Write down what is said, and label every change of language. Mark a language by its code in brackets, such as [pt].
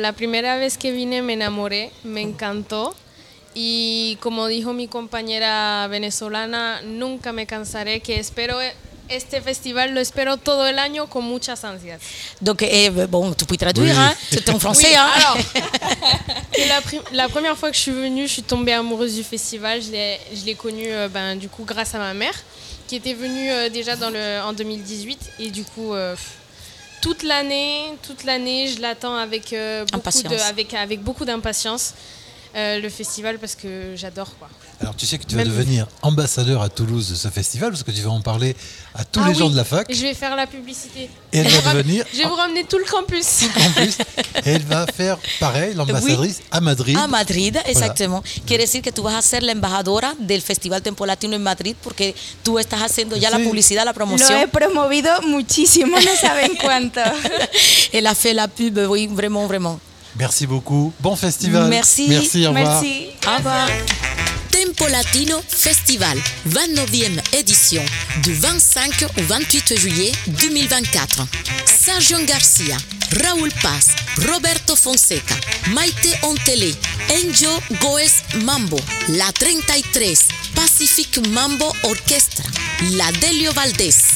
[es] La primera vez que vine me enamoré, me encantó. Y como dijo mi compañera venezolana, nunca me cansaré, que espero este festival, lo espero todo el año con muchas ansias. [fr] Donc, bon, [es] tu puedes traducir, [fr] oui, hein? C'est en [es] francés. [fr] Oui, hein? Alors, la première fois que je suis venue, je suis tombée amoureuse du festival. Je l'ai connu ben, du coup, grâce à ma mère, qui était venu déjà en 2018. Et du coup, toute l'année, je l'attends avec beaucoup d'impatience, le festival, parce que j'adore, quoi. Alors, tu sais que tu vas devenir ambassadeur à Toulouse de ce festival, parce que tu vas en parler à tous les gens de la fac. Je vais faire la publicité. Et elle va devenir... Je vais vous ramener tout le campus. Tout le campus. Et elle va faire pareil, l'ambassadrice, oui, à Madrid. À Madrid, voilà, exactement. [es] Quiere decir que [fr] tu vas [es] ser la embajadora del Festival Tempo Latino en Madrid, porque tú estás haciendo ya, sí, la publicidad, la promoción. Lo he promovido muchísimo, no saben cuánto. [fr] Elle a fait la pub, oui, vraiment, vraiment. Merci beaucoup. Bon festival. Merci. Merci, au revoir. Merci. Au revoir. Tempo Latino Festival, 29e édition, du 25 au 28 juillet 2024. Sergio Garcia, Raúl Paz, Roberto Fonseca, Maite Ontelé, Enjo Goes Mambo, La 33, Pacific Mambo Orchestra, La Delio Valdés.